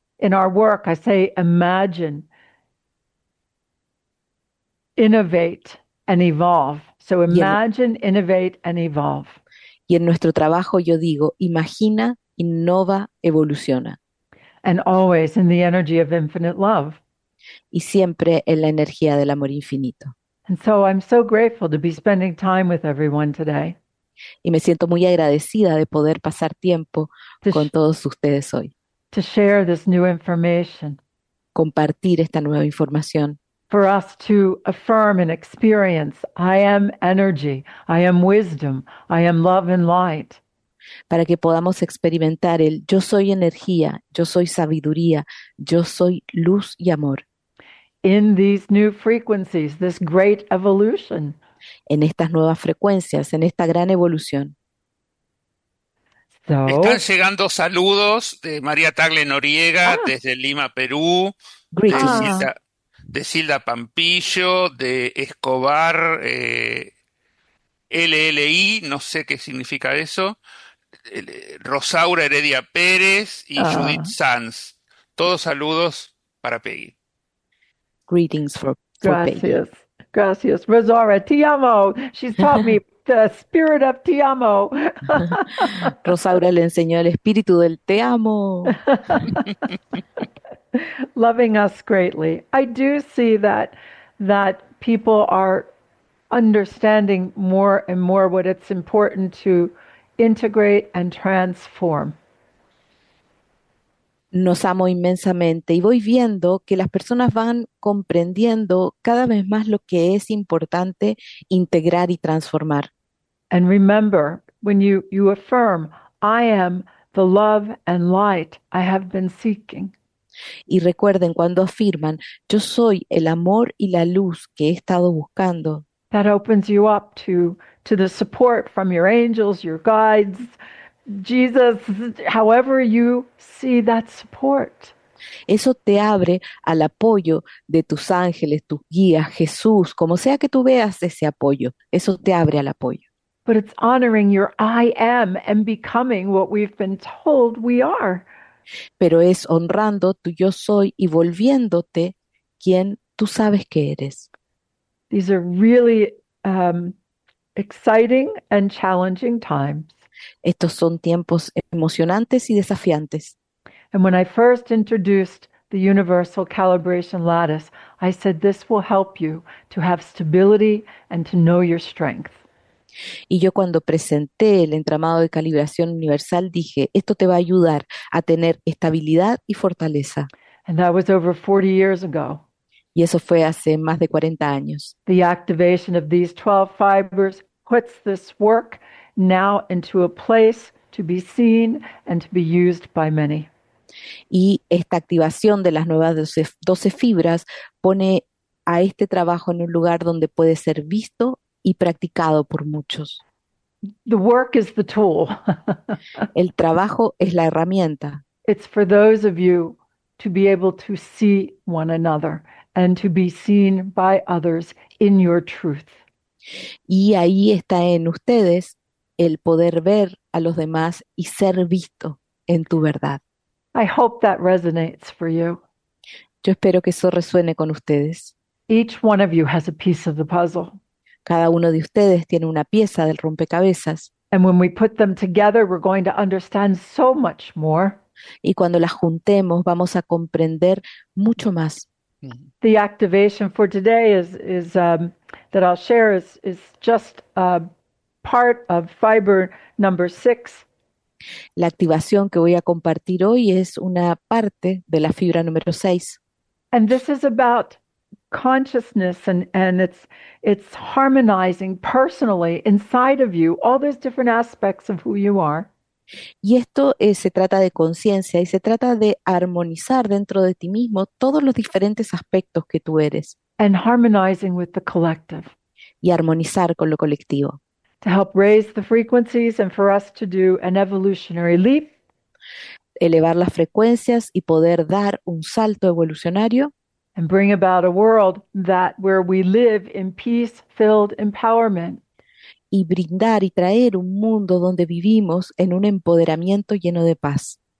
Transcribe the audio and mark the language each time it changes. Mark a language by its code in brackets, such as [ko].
[en] In our work, I say imagine, innovate and evolve. So imagine, innovate, and evolve. [es] Y en nuestro trabajo yo digo, imagina, innova, evoluciona. [en] And always in the energy of infinite love. [es] Y siempre en la energía del amor infinito. [en] And so I'm so grateful to be spending time with everyone today. [es] Y me siento muy agradecida de poder pasar tiempo con todos ustedes hoy. [en] To share this new information. [es] Compartir esta nueva información. [en] For us to affirm and experience, I am energy, I am wisdom, I am love and light. [es] Para que podamos experimentar el yo soy energía, yo soy sabiduría, yo soy luz y amor. [en] In these new frequencies, this great evolution. [es] En estas nuevas frecuencias, en esta gran evolución. So, están llegando saludos de María Tagle Noriega desde Lima, Perú. [en] Greetings. [es] De Silda Pampillo, de Escobar, LLI, no sé qué significa eso, Rosaura Heredia Pérez y Judith Sanz. Todos saludos para Peggy. [en] Greetings for [es] gracias. [en] Peggy. [es] Gracias. Rosaura, te amo. [en] She's taught me the spirit of te amo. [es] Rosaura le enseñó el espíritu del te amo. [en] Loving us greatly. I do see that people are understanding more and more what it's important to integrate and transform. [es] Nos amo inmensamente y voy viendo que las personas van comprendiendo cada vez más lo que es importante integrar y transformar. [en] And remember, when you affirm, I am the love and light I have been seeking. [es] Y recuerden cuando afirman, yo soy el amor y la luz que he estado buscando. [en] That opens you up to the support from your angels, your guides, Jesus, however you see that support. [es] Eso te abre al apoyo de tus ángeles, tus guías, Jesús, como sea que tú veas ese apoyo, eso te abre al apoyo. [en] But it's honoring your I am and becoming what we've been told we are. [es] Pero es honrando tu yo soy y volviéndote quien tú sabes que eres. [en] These are really exciting and challenging times. [es] Estos son tiempos emocionantes y desafiantes. [en] And when I first introduced the Universal Calibration Lattice, I said this will help you to have stability and to know your strength. [es] Y yo cuando presenté el entramado de calibración universal dije, esto te va a ayudar a tener estabilidad y fortaleza. [en] And that was over 40 years ago. [es] Y eso fue hace más de 40 años. [en] The activation of these 12 fibers puts this work now into a place to be seen and to be used by many. [es] Y esta activación de las nuevas 12 fibras pone a este trabajo en un lugar donde puede ser visto y practicado por muchos. [en] The work is the tool. [es] El trabajo es la herramienta. [en] It's for those of you to be able to see one another and to be seen by others in your truth. [es] Y ahí está en ustedes el poder ver a los demás y ser visto en tu verdad. [en] I hope that resonates for you. [es] Yo espero que eso resuene con ustedes. [en] Each one of you has a piece of the puzzle. [es] Cada uno de ustedes tiene una pieza del rompecabezas. [en] And when we put them together, we're going to understand so much more. [es] Y cuando las juntemos, vamos a comprender mucho más. [en] The activation for today is that I'll share is just a part of fiber number 6. [es] La activación que voy a compartir hoy es una parte de la fibra número 6. [en] And this is about consciousness and it's harmonizing personally inside of you all those different aspects of who you are. [es] Y esto se trata de conciencia y se trata de armonizar dentro de ti mismo todos los diferentes aspectos que tú eres. [en] And harmonizing with the collective. [es] Y armonizar con lo colectivo. [en] To help raise the frequencies and for us to do an evolutionary leap. [es] Elevar las frecuencias y poder dar un salto evolucionario. [en] And bring about a world that where we live in peace-filled empowerment. [es] Y brindar y traer un mundo donde vivimos en un empoderamiento lleno de paz.